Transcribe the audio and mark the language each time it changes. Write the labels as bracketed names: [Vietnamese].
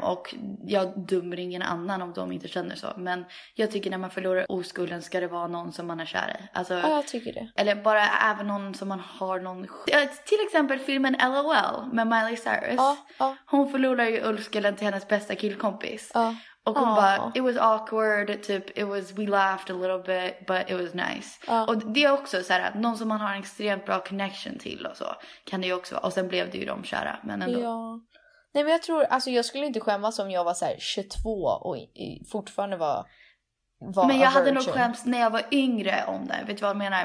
[Swedish] Och jag dömer ingen annan om de inte känner så. Men jag tycker när man förlorar oskulden ska det vara någon som man är kär i. Alltså, ja, jag tycker det. Eller bara även någon som man har någon... till exempel filmen LOL med Miley Cyrus. Ja, ja. Hon förlorar ju oskulden till hennes bästa killkompis. Ja. Och hon bara, [English] it was awkward, typ, it was, we laughed a little bit, but it was nice. [Swedish] Och det är också så här att någon som man har en extremt bra connection till och så, kan det ju också vara. Och sen blev det ju de kära, men ändå. Ja. Nej, men jag tror, alltså jag skulle inte skämmas om jag var så här 22 och fortfarande var men jag hade nog skämts när jag var yngre om det, vet du vad jag menar?